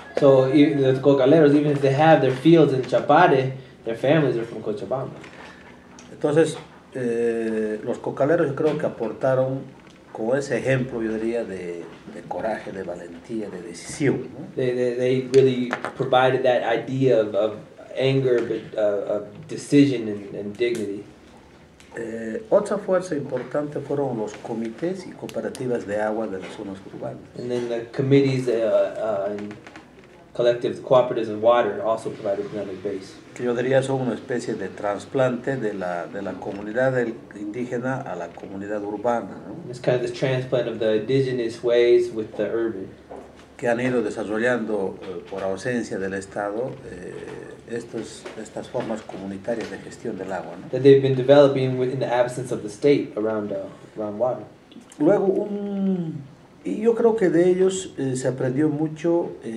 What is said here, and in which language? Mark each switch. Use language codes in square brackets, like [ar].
[en] So the cocaleros, even if they have their fields in Chapare, their families are from Cochabamba. [es] Entonces, los cocaleros yo creo que aportaron con ese ejemplo, yo diría, de coraje, de valentía, de decisión, ¿no? [en] They really provided that idea of anger, but of decision and dignity. [es] Otra fuerza importante fueron los comités y cooperativas de agua de las zonas urbanas. [en] And then the committees and collective cooperatives of water also provided another base. [es] Que yo diría son una especie de trasplante de la comunidad indígena a la comunidad urbana, ¿no? [en] It's kind of this transplant of the indigenous ways with the urban. [es] que han ido desarrollando por ausencia del Estado estas formas comunitarias de gestión del agua, ¿no? [en] That they've been developing within the absence of the state around around water. [es] Luego y yo creo que de ellos se aprendió mucho.